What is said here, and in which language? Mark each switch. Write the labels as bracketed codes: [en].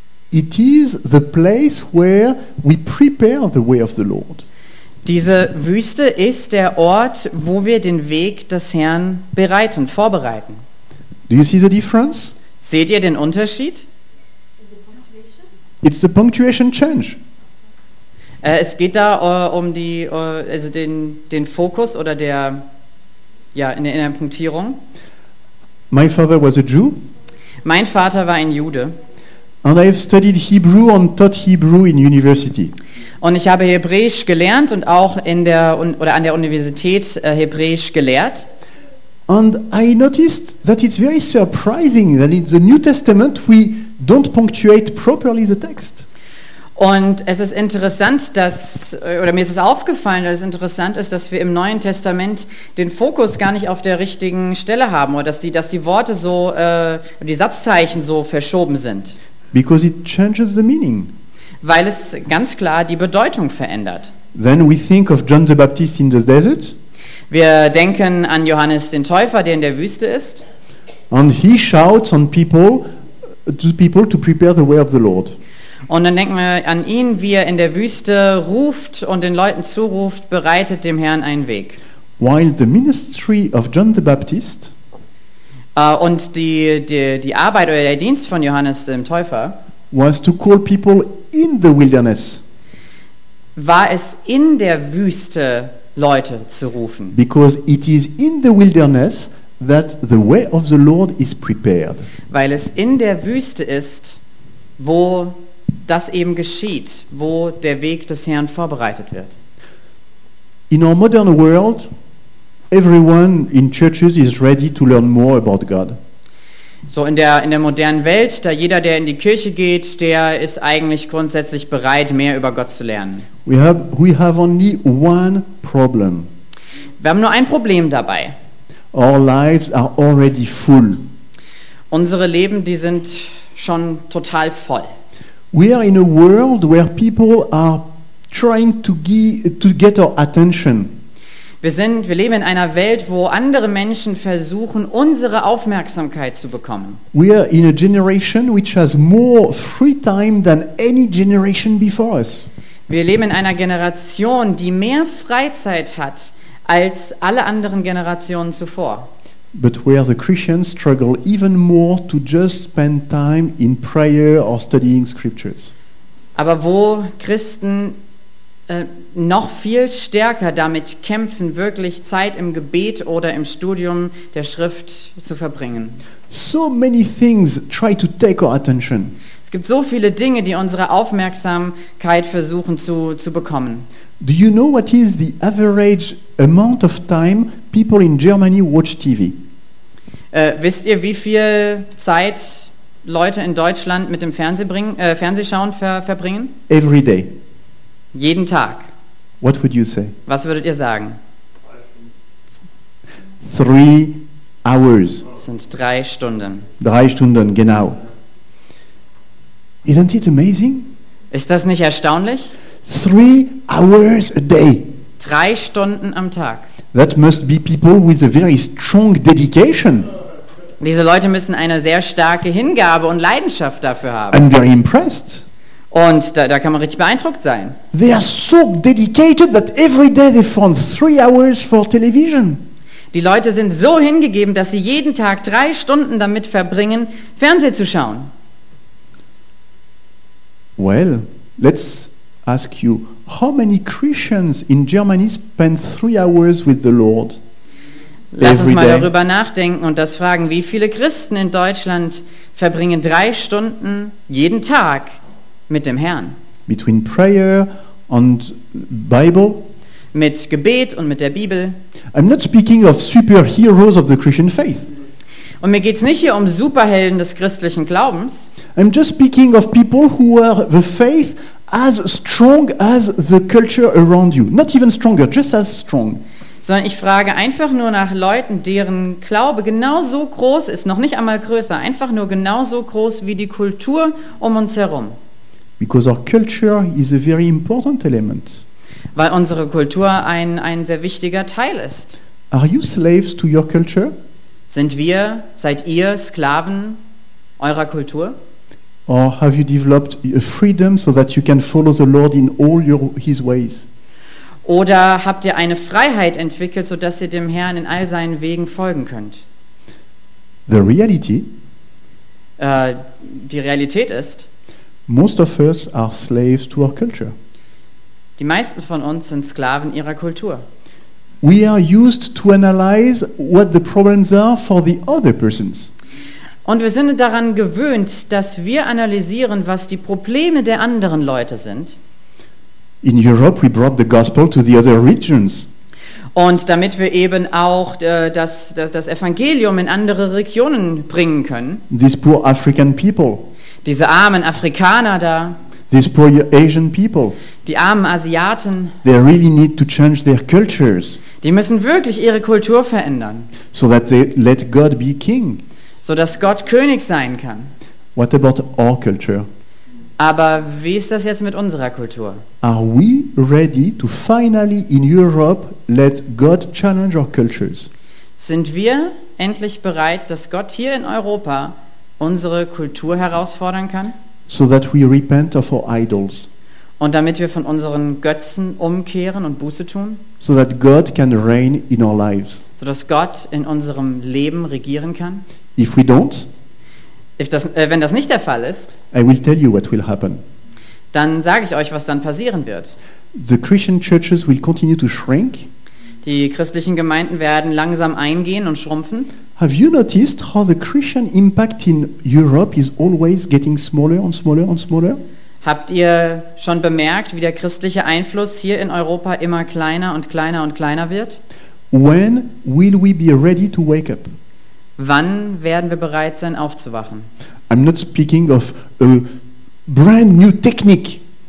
[en] It is the place where we prepare the way of the Lord. [de] Diese Wüste ist der Ort, wo wir den Weg des Herrn bereiten, vorbereiten. [en] Do you see the difference? [de] Seht ihr den Unterschied? [en] It's the punctuation change. [de] Es geht da um die, also den Fokus oder der, ja, in der Punktierung. [en] My father was a Jew. [de] Mein Vater war ein Jude. [en] And I have studied Hebrew and taught Hebrew in university. [de] Und ich habe Hebräisch gelernt und auch an der Universität Hebräisch gelehrt. [en] And I noticed that it's very surprising that in the New Testament we don't punctuate properly the text. [de] Und es ist interessant, dass wir im Neuen Testament den Fokus gar nicht auf der richtigen Stelle haben oder dass die Worte so, die Satzzeichen so verschoben sind. [en] Because it changes the meaning. [de] Weil es ganz klar die Bedeutung verändert. [en] Then we think of John the Baptist in the desert. [de] Wir denken an Johannes den Täufer, der in der Wüste ist. [en] And he shouts on people, to people to prepare the way of the Lord. [de] Und dann denken wir an ihn, wie er in der Wüste ruft und den Leuten zuruft: Bereitet dem Herrn einen Weg. [en] While the ministry of John the Baptist, [de] und die Arbeit oder der Dienst von Johannes dem Täufer, [en] was to call people in the wilderness, [de] war es in der Wüste Leute zu rufen. [en] Because it is in the wilderness that the way of the Lord is prepared. [de] Weil es in der Wüste ist, wo das eben geschieht, wo der Weg des Herrn vorbereitet wird. [en] In our modern world, everyone in churches is ready to learn more about God. [de] So in der modernen Welt, da jeder, der in die Kirche geht, der ist eigentlich grundsätzlich bereit, mehr über Gott zu lernen. [en] We have only one problem. [de] Wir haben nur ein Problem dabei. [en] Our lives are already full. [de] Unsere Leben, die sind schon total voll. [en] We are in a world where people are trying to get our attention. [de] Wir leben in einer Welt, wo andere Menschen versuchen, unsere Aufmerksamkeit zu bekommen. [en] We are in a generation which has more free time than any generation before us. [de] Wir leben in einer Generation, die mehr Freizeit hat als alle anderen Generationen zuvor. [en] But where the Christians struggle even more to just spend time in prayer or studying scriptures. [de] Aber wo Christen noch viel stärker damit kämpfen, wirklich Zeit im Gebet oder im Studium der Schrift zu verbringen. [en] So many things try to take our attention. [de] Es gibt so viele Dinge, die unsere Aufmerksamkeit versuchen zu bekommen. [en] Do you know what is the average amount of time people in Germany watch TV? [de] Wisst ihr, wie viel Zeit Leute in Deutschland mit dem Fernsehschauen verbringen? [en] Every day. [de] Jeden Tag. [en] What would you say? [de] Was würdet ihr sagen? [en] 3 hours. [de] Das sind 3 Stunden. 3 Stunden, genau. [en] Isn't it amazing? [de] Ist das nicht erstaunlich? [en] 3 hours a day. [de] 3 Stunden am Tag. [en] That must be people with a very strong dedication. [de] Diese Leute müssen eine sehr starke Hingabe und Leidenschaft dafür haben. [en] I'm very impressed. [de] Und da kann man richtig beeindruckt sein. [en] They are so dedicated that every day they found 3 hours for television. [de] Die Leute sind so hingegeben, dass sie jeden Tag 3 Stunden damit verbringen, Fernsehen zu schauen. [en] Well, let's ask you, how many Christians in Germany spend 3 hours with the Lord? [de] Lass uns mal darüber nachdenken und das fragen, wie viele Christen in Deutschland verbringen 3 Stunden jeden Tag mit dem Herrn? [en] Between prayer and Bible. [de] Mit Gebet und mit der Bibel. [en] I'm not speaking of superheroes of the Christian faith. [de] Und mir geht's nicht hier um Superhelden des christlichen Glaubens. [en] I'm just speaking of people who are the faith as strong as the culture around you. Not even stronger, just as strong. [de] Sondern ich frage einfach nur nach Leuten, deren Glaube genauso groß ist, noch nicht einmal größer, einfach nur genauso groß wie die Kultur um uns herum. [en] Because our culture is a very important element. [de] Weil unsere Kultur ein sehr wichtiger Teil ist. [en] Are you slaves to your culture? [de] Seid ihr Sklaven eurer Kultur? [en] Or have you developed a freedom so that you can follow the Lord in all his ways? [de] Oder habt ihr eine Freiheit entwickelt, so dass ihr dem Herrn in all seinen Wegen folgen könnt? [en] The reality. [de] Die Realität ist. [en] Most of us are slaves to our culture. [de] Die meisten von uns sind Sklaven ihrer Kultur. [en] We are used to analyze what the problems are for the other persons. [de] Und wir sind daran gewöhnt, dass wir analysieren, was die Probleme der anderen Leute sind. [en] In Europe we brought the gospel to the other regions. [de] Und damit wir eben auch das Evangelium in andere Regionen bringen können. [en] These poor African people. [de] Diese armen Afrikaner da. [en] These poor Asian people. [de] Die armen Asiaten. [en] They really need to change their cultures. [de] Die müssen wirklich ihre Kultur verändern. [en] So that they let God be king. [de] So dass Gott König sein kann. [en] What about our culture? [de] Aber wie ist das jetzt mit unserer Kultur? [en] Are we ready to finally in Europe let God challenge our cultures? [de] Sind wir endlich bereit, dass Gott hier in Europa unsere Kultur herausfordern kann? [en] So that we repent of our idols. [de] Und damit wir von unseren Götzen umkehren und Buße tun? [en] So that God can reign in our lives. [de] So dass Gott in unserem Leben regieren kann? [en] If we don't, [de] wenn das nicht der Fall ist, [en] I will tell you what will happen. [de] Dann sage ich euch, was dann passieren wird. [en] The Christian churches will continue to shrink. [de] Die christlichen Gemeinden werden langsam eingehen und schrumpfen. [en] Have you noticed how the Christian impact in Europe is always getting smaller and smaller and smaller? [de] Habt ihr schon bemerkt, wie der christliche Einfluss hier in Europa immer kleiner und kleiner und kleiner wird? [en] When will we be ready to wake up? [de] Wann werden wir bereit sein, aufzuwachen? [en] I'm not speaking of a brand new technique.